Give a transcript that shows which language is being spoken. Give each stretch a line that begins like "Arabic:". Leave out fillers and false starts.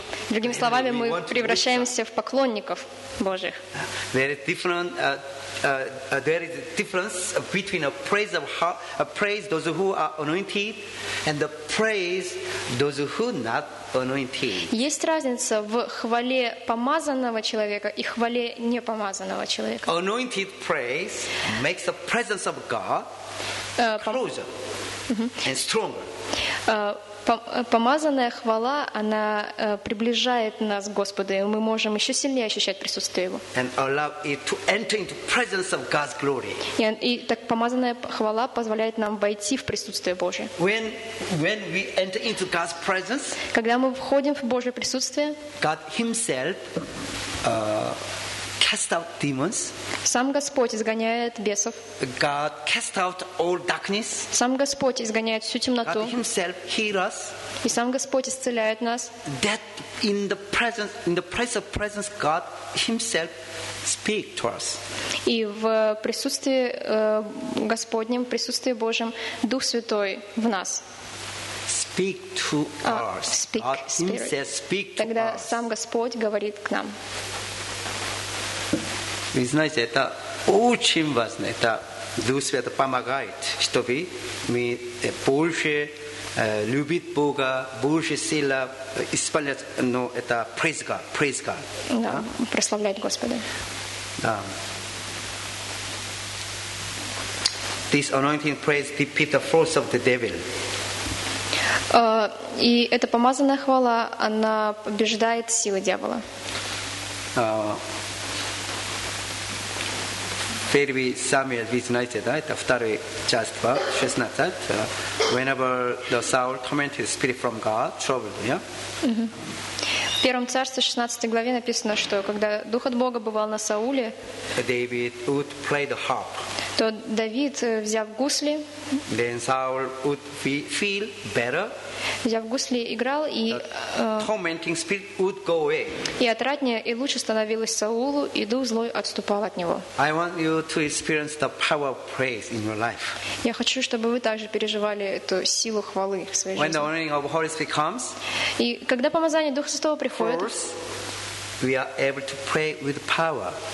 Russian: Другими словами, мы превращаемся в поклонников Божьих.
English: There is a difference between a praise of heart, a praise those who are anointed, and the praise those who are not anointed.
Russian: Есть разница в хвале помазанного человека и хвале непомазанного человека.
English: Anointed praise makes the presence of God closer and stronger.
Russian: Помазанная хвала, она приближает нас к Господу, и мы можем еще сильнее ощущать присутствие Его.
English: And allow it to enter into presence of God's glory.
Russian: И так помазанная хвала позволяет нам войти в присутствие Божие.
English: When we enter into God's presence,
Russian: когда мы входим в Божье присутствие,
English: God Himself cast out demons.
Russian: Сам Господь изгоняет бесов.
English: God cast out all darkness.
Russian: Сам Господь изгоняет всю темноту.
English: God Himself heals us.
Russian: И сам Господь исцеляет нас.
English: That in the presence of God Himself speaks to us.
Russian: И в присутствии Господнем, присутствии Божьем, Дух Святой в нас.
English: Speak to us. Speak, Himself speak to us.
Russian: Тогда сам Господь говорит к нам. Вы знаете, это очень важно, это Дух Святой помогает, чтобы мы больше любить Бога, больше сила исполнять, но это
English: praise God, praise God.
Russian: Да, прославлять Господа. Да.
English: This anointing praise defeats the force of the devil.
Russian: И эта помазанная хвала, она побеждает силы дьявола. Первый Самуил, вы знаете, да, это второй часть, 16.
English: Whenever the Saul tormented the spirit from God, troubled, yeah?
Russian: В первом царстве, 16 главе, написано, что когда Дух от Бога бывал на Сауле,
English: David would play the harp.
Russian: То Давид, взяв гусли,
English: then Saul would feel better.
Russian: Взяв гусли, играл, и
English: tormenting spirit would go away.
Russian: И отраднее и лучше становилось Саулу, и дух злой отступал от него.
English: I want you to experience the power of praise in your life.
Russian: Я хочу, чтобы вы также переживали эту силу хвалы в своей
English: when
Russian: жизни.
English: When the anointing of the Holy Spirit comes,
Russian: и когда помазание Духа Святого приходит,
English: first, we are able to pray with power.